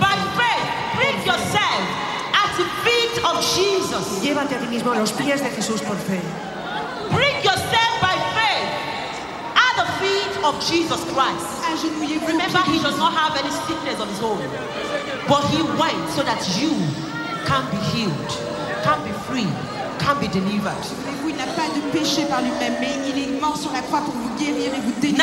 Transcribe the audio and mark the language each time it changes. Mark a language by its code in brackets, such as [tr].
[en] By faith, bring yourself at the feet of Jesus. [es] Llévate a ti mismo a los pies de Jesús por fe. [en] Bring yourself by faith at the feet of Jesus Christ. Remember, he does not have any sickness of his own. But he went so that you can be healed, can be free, can be delivered. [fr] Il n'a pas de péché par lui-même, mais il est mort sur la croix pour vous guérir et vous délivrer.